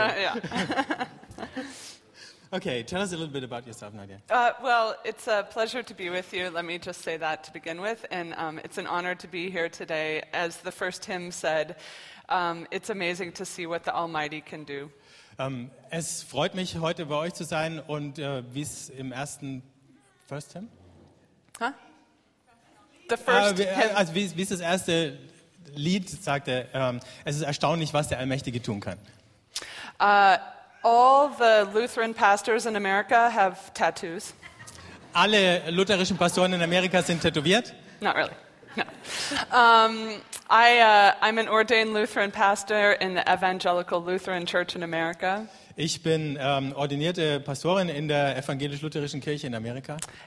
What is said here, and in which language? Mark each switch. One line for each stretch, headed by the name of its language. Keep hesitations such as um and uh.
English: Uh, yeah. Okay, tell us a little bit about yourself, Nadia. Uh, well, it's a pleasure to be with you. Let me just say that to begin with. And um, it's an honor to be here today. As the first hymn said, um, it's amazing to see what the Almighty can do.
German: Um, es freut mich, heute bei euch zu sein. Und uh, wie es im ersten.
English: First hymn? Huh? The first uh,
German: wie, Also, wie es das erste Lied sagte: Es ist erstaunlich, was der Allmächtige tun kann.
English: Uh, All the Lutheran pastors in America have tattoos.
German: Alle lutherischen Pastoren in Amerika sind tätowiert?
English: Not really. No. Um, I, uh, I'm an ordained Lutheran pastor in the Evangelical Lutheran Church in America.
German: Ich bin ähm, ordinierte Pastorin in der evangelisch-lutherischen Kirche in Amerika.